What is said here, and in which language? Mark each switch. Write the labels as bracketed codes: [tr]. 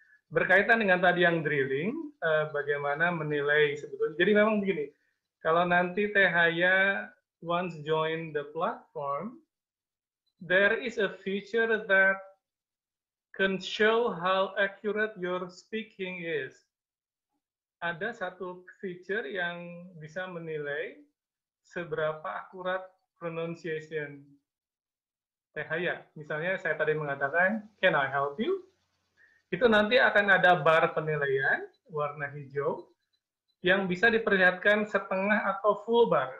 [id] Berkaitan dengan tadi yang drilling, bagaimana menilai sebetulnya. Jadi memang begini, kalau nanti Teh Haya [en] once join the platform, there is a feature that can show how accurate your speaking is. [id] Ada satu feature yang bisa menilai seberapa akurat pronunciation Teh Haya. Misalnya saya tadi mengatakan, [en] can I help you? [id] Itu nanti akan ada bar penilaian warna hijau yang bisa diperlihatkan setengah atau full bar.